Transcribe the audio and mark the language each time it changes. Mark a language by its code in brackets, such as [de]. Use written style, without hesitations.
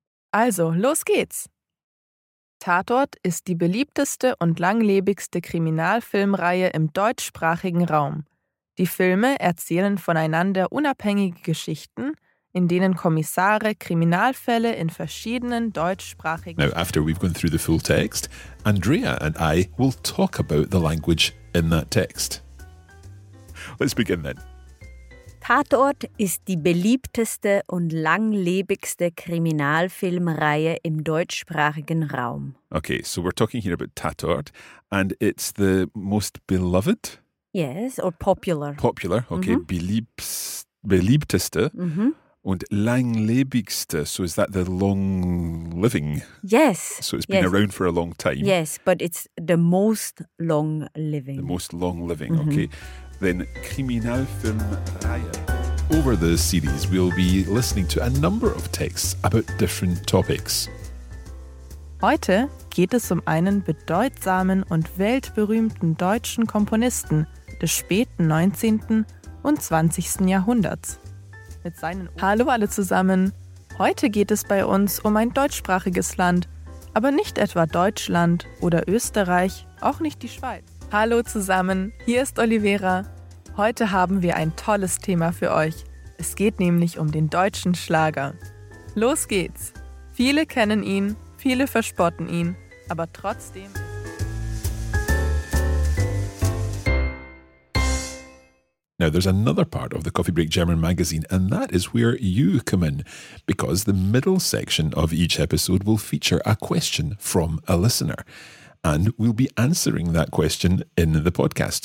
[de] Also, los geht's! Tatort ist die beliebteste und langlebigste Kriminalfilmreihe im deutschsprachigen Raum. Die Filme erzählen voneinander unabhängige Geschichten, in denen Kommissare Kriminalfälle in verschiedenen deutschsprachigen... [en] Now, after we've gone through the full text, Andrea and I will talk about the language in that text. Let's begin then. [de] Tatort ist die beliebteste und langlebigste Kriminalfilmreihe im deutschsprachigen Raum. [en] Okay, so we're talking here about Tatort, and it's the most beloved? Yes, or popular. Popular, okay. Mm-hmm. [de] Beliebteste und langlebigste. [en] So is that the long living? Yes. So it's been around for a long time. Yes, but it's the most long living. The most long living, okay. Then Kriminalfilmreihe. Over the series, we'll be listening to a number of texts about different topics. [de] Heute geht es um einen bedeutsamen und weltberühmten deutschen Komponisten des späten 19. und 20. Jahrhunderts. Mit seinen Hallo alle zusammen. Heute geht es bei uns um ein deutschsprachiges Land, aber nicht etwa Deutschland oder Österreich, auch nicht die Schweiz. Hallo zusammen, hier ist Oliveira. Heute haben wir ein tolles Thema für euch. Es geht nämlich um den deutschen Schlager. Los geht's! Viele kennen ihn, viele verspotten ihn, aber trotzdem... [en] Now, there's another part of the Coffee Break German magazine, and that is where you come in, because the middle section of each episode will feature a question from a listener. And we'll be answering that question in the podcast.